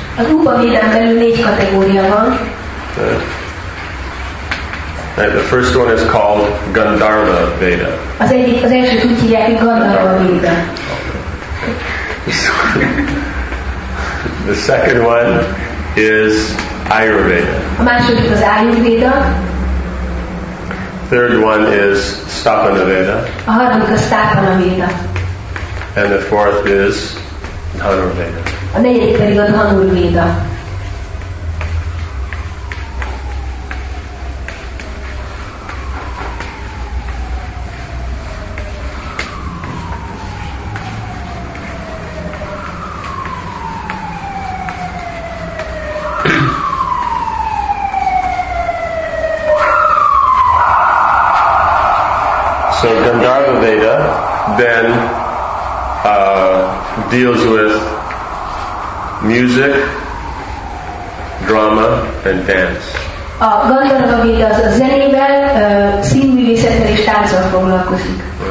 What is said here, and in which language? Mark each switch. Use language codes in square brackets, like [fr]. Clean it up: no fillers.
[hu] Az Upavédán belül négy kategória van. [en] Okay. Right, the first one is called Gandharva Veda. [hu] Az egyik, az első úgy hívják, hogy Gandharva Veda. [en] The second one is Ayurveda. [hu] A második az Ayurveda. [en] Third one is Stapana Veda. [hu] A harmadik a Stapana Veda. [en] And the fourth is Dhanurveda. [hu] A negyedik pedig a Dhanurveda. [en] So Gandharva Veda then deals with music, drama, and dance. [hu] A Gandharva Veda az a zenével, színművészettel és tánccal foglalkozik.